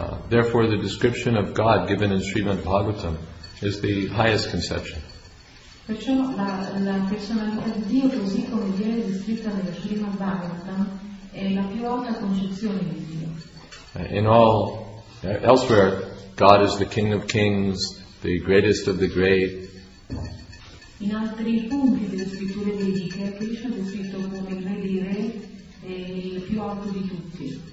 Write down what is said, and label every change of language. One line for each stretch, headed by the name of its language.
English: Therefore the description of God given in Srimad Bhagavatam is the highest conception.
Italian: Perciò la personalità di Dio, così come viene descritta nella Srimad Bhagavatam, è la più alta concezione di Dio.
English: In all elsewhere, God is the King of Kings, the greatest of the great.
Italian: In altri punti delle scritture vediche, Krishna è descritto come il re dei re e il più alto di tutti.